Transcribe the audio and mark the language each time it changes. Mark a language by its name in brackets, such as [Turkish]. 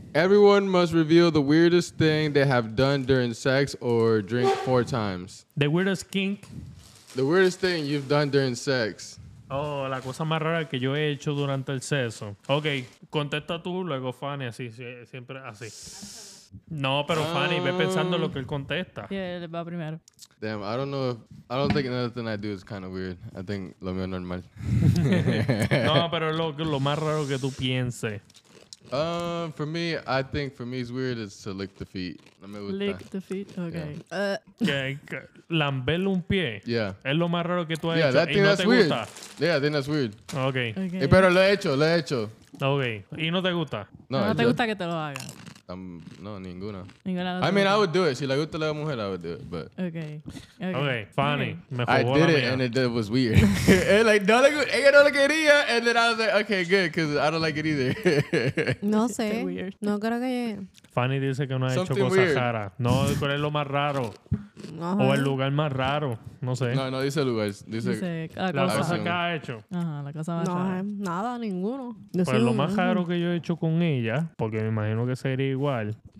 [English] Everyone must reveal the weirdest thing they have done during sex or drink 4 times. The weirdest kink? The weirdest thing you've done during sex. [Spanish] Oh, la cosa más rara que yo he hecho durante el sexo. Okay, contesta tú, luego Fanny, así, siempre así. No, pero Fanny, ve pensando lo que él contesta. Yeah, él va primero. [English] Damn, I don't know if... I don't think another thing I do is kind of weird. I think [Spanish] lo mío normal. No, pero lo más raro que tú pienses. [English] For me, it's weird is to lick the feet. [Spanish] No me gusta. [English] Lick the feet, okay. [Spanish] Lamberle un pie. [English] Yeah. [Spanish] Es lo más raro que tú has hecho. Y no te [English] weird. [Spanish] Gusta. [English] Yeah, I think that's weird. Okay. [Spanish] Pero lo he hecho. Okay. Y no te gusta. No te gusta que te lo haga. No, ninguna. ¿Ninguna [English] I mean, I would do it. [Spanish] Si le gusta la mujer, [English] I would do it, but... Okay. Funny. Okay. I did it, and it was weird. [Spanish] Ella no lo quería, [English] and then I was like, okay, good, because I don't like it either. [Spanish] No sé. No creo que... Funny dice que no ha hecho cosas raras. No, pero es lo más raro. O el lugar más raro. No sé. No, dice lugar. Dice la cosa que ha hecho. Ajá, la cosa más rara. No, nada, ninguno. Pues lo más raro que yo he hecho con ella, porque me imagino que sería igual.